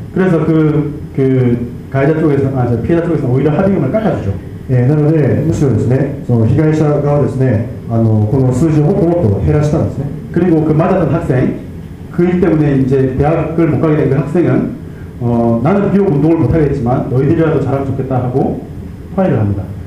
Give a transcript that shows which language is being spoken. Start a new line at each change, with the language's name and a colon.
Korean: 그래서 피해자 쪽에서 오히려 합의금을 깎아주죠.
Japanese: なので、むしろですね、その被害者側ですね、この数字をもっともっと減らしたんですね。
Korean: 그리고 그 맞았던 학생, 그 일 때문에 이제 대학을 못 가게 된 그 학생은, 나는 비록 운동을 못하겠지만, 너희들이라도 잘하면 좋겠다 하고, 화해를 합니다.